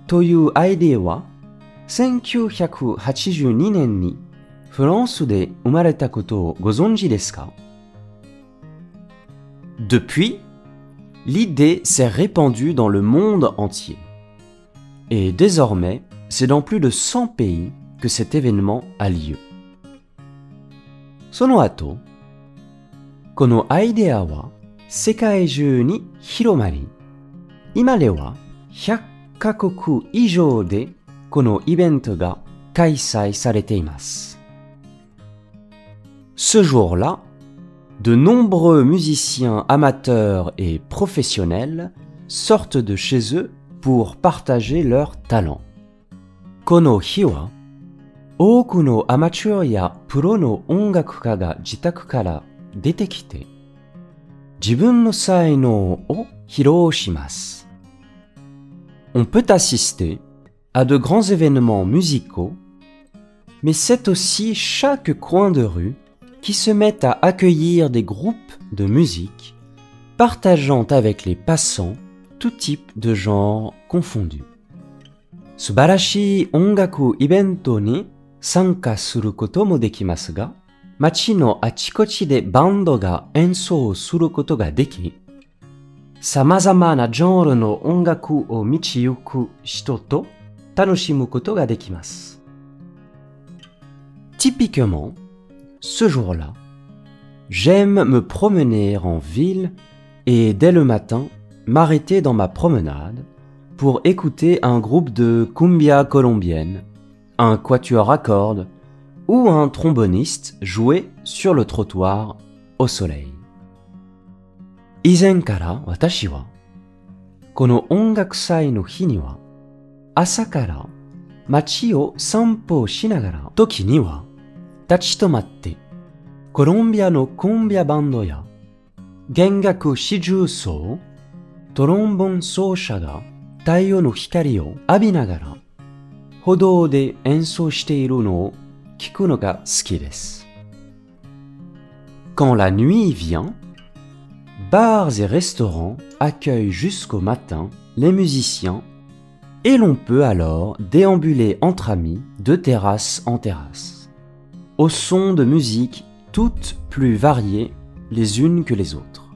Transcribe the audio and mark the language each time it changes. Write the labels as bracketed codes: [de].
[ja] 音楽を祝うという idée は1982年にフランスで生まれたことをご存知ですか? [fr] Depuis, l'idée s'est répandue dans le monde entier. Et désormais, c'est dans plus de 100 pays que cet événement a lieu. [ja] その後、このアイデアは世界中に広まり、今では100カ国以上でこのイベントが開催されています。 [fr] Ce jour-là, de nombreux musiciens amateurs et professionnels sortent de chez eux pour partager leurs talents. [ja] この日は、多くのアマチュアやプロの音楽家が自宅から出てきて、自分の才能を披露します。 [fr] On peut assister à de grands événements musicaux, mais c'est aussi chaque coin de rue qui se met à accueillir des groupes de musique, partageant avec les passants tout type de genre confondu. [ja] 素晴らしい音楽イベントに参加することもできますが、街のあちこちでバンドが演奏することができ、さまざまなジャンルの音楽を道行く人と楽しむことができます。 [fr] Typiquement, ce jour-là, j'aime me promener en ville et dès le matin m'arrêter dans ma promenade pour écouter un groupe de cumbia colombienne. Un quatuor à cordes ou un tromboniste joué sur le trottoir au soleil. [ja] 以前から私は、この音楽祭の日には、朝から街を散歩しながら時には立ち止まってコロンビアのコンビアバンドや弦楽四重奏トロンボン奏者が太陽の光を浴びながら歩道で演奏しているのを聞くのが好きです。 [fr] Quand la nuit vient, bars et restaurants accueillent jusqu'au matin les musiciens et l'on peut alors déambuler entre amis de terrasse en terrasse, au son de musique toutes plus variées les unes que les autres.